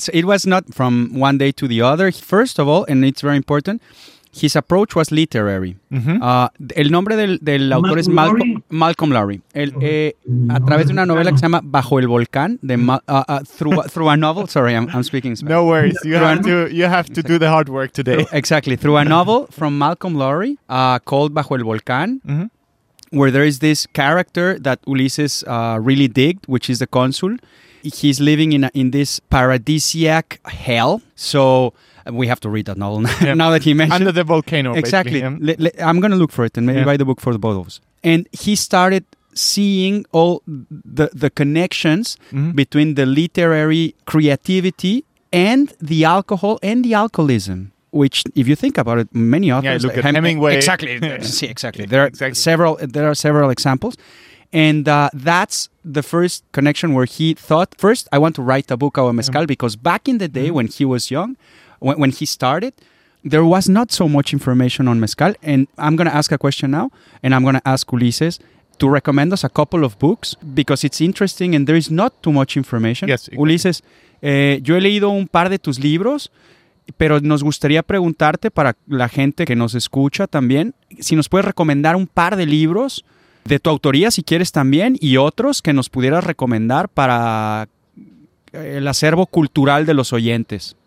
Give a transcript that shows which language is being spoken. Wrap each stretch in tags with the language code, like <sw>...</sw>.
<en>So it was not from one day to the other. First of all, and it's very important, his approach was literary. Mm-hmm.</en> <es>El nombre del autor es Malcolm Lowry. A través de una novela que se llama Bajo el Volcán,</es> <en>through a novel. Sorry, I'm speaking Spanish. No worries. You have to do the hard work today. Through a novel from Malcolm Lowry called Bajo el Volcán. Mm-hmm. Where there is this character that Ulises really digged, which is the consul. He's living in this paradisiac hell. So we have to read that novel now that he mentioned. Under the volcano. Exactly. I'm going to look for it and maybe buy the book for the both of us. And he started seeing all the connections between the literary creativity and the alcohol and the alcoholism. Which, if you think about it, many authors... Yeah, look at Hemingway. Exactly. See, exactly. There are several examples. And that's the first connection where he thought, first, I want to write a book about mezcal. Because back in the day when he was young, when he started, there was not so much information on mezcal. And I'm going to ask a question now. And I'm going to ask Ulises to recommend us a couple of books because it's interesting and there is not too much information. Yes, exactly.</en> <es>Ulises, yo he leído un par de tus libros. Pero nos gustaría preguntarte para la gente que nos escucha también, si nos puedes recomendar un par de libros de tu autoría, si quieres también, y otros que nos pudieras recomendar para el acervo cultural de los oyentes.</es>